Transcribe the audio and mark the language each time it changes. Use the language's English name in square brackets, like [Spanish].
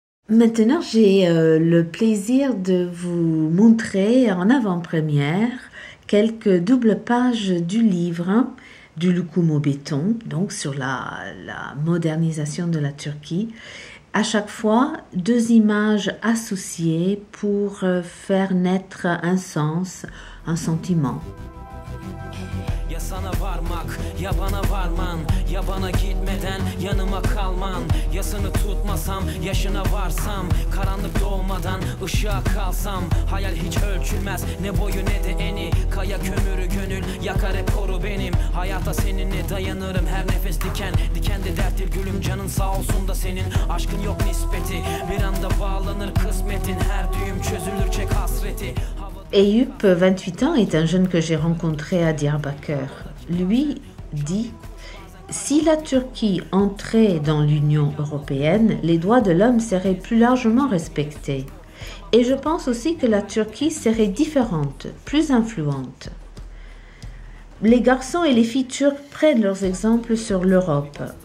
[French] Maintenant, j'ai le plaisir de vous montrer en avant-première quelques doubles pages du livre du loukoum au béton, donc sur la modernisation de la Turquie. À chaque fois, deux images associées pour faire naître un sens, un sentiment. [Turkish] Ya sana varmak, ya bana varman, ya bana gitmeden yanıma kalman, yasını tutmasam, yaşına varsam, karanlık doğmadan ışığa kalsam, hayal hiç ölçülmez, ne boyu ne de eni, kaya kömürü gönül, yakar hep koru benim, hayata seninle dayanırım, her nefes diken, diken de derttir gülüm, canın sağ olsun da senin, aşkın yok nispeti, bir anda bağlanır kısmetin, her düğüm çözülür çek hasreti. [French] Eyüp, 28 ans, est un jeune que j'ai rencontré à Diyarbakır. Lui dit « Si la Turquie entrait dans l'Union européenne, les droits de l'homme seraient plus largement respectés. Et je pense aussi que la Turquie serait différente, plus influente. » Les garçons et les filles turques prennent leurs exemples sur l'Europe.